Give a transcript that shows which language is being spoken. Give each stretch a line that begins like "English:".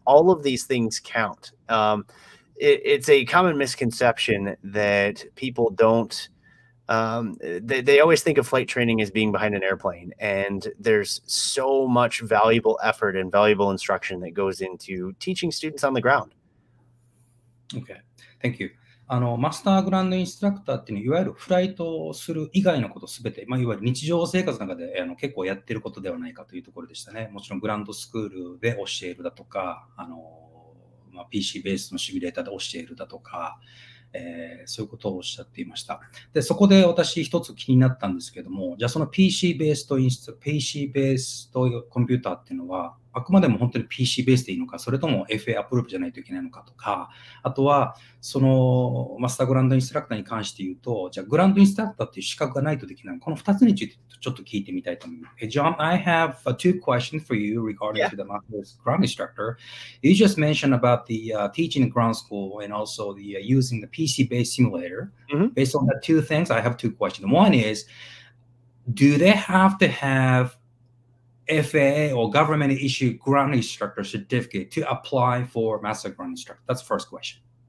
English: All of these things count. It's a common misconception that people don't they always think of flight training as being behind an airplane, and there's so much valuable effort and valuable instruction that goes into teaching students on the ground. Okay, thank you.
Japanese: マスターグランドインストラクターっていうのは、いわゆるフライトをする以外のことすべて、まあ、いわゆる日常生活の中で結構やってることではないかというところでしたね。もちろんグランドスクールで教えるだとか、PC ベースのシミュレーターで教えるだとか、そういうことをおっしゃっていました。で、そこで私一つ気になったんですけども、じゃあその PC ベースとインスト、PC ベースとコンピューターっていうのは、あくまでも本当に PC ベースでいいのか、それとも FA アプローブじゃないといけないのかとか、あとはそのマスターグランドインストラクターに関して言うと、じゃあグランドインストラクターっていう資格がないとできない。この2つについてちょっと聞いてみたいと思います。
English: Hey, John, I have two questions for you regarding to the master's ground instructor. You just mentioned about the teaching ground school and also the using the PC based simulator. Based on that two things, I have two questions. One is, do they have to haveFAA or government issued ground instructor certificate to apply for master ground instructor? That's the first question.